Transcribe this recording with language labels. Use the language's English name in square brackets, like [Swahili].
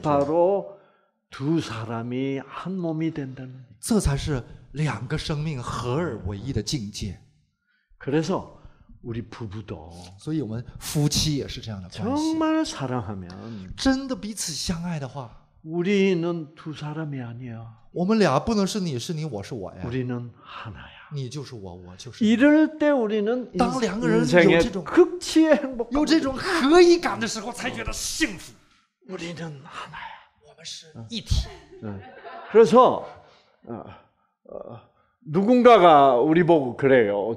[Korean] 바로 두 사람이 한 몸이 된다는. [Chinese] 这才是两个生命合而为一的境界. [Korean] 그래서 우리 부부도. [Chinese] 所以我们夫妻也是这样的关系. [Korean] 정말 사랑하면. [Chinese] 真的彼此相爱的话. [Korean] 우리는 두 사람이 아니야. [Chinese] 我们俩不能是你是你我是我呀. [Korean] 우리는 하나야. [Chinese] 你就是我我就是. [Korean] 이럴 때 우리는 [Chinese] 当两个人有这种 [Korean] 극치의 행복 [Chinese] 有这种合一感的时候才觉得幸福. [Korean] 우리는 하나야. [Chinese] 我们是一体. [Korean] 그래서 누군가가 우리 보고 그래요.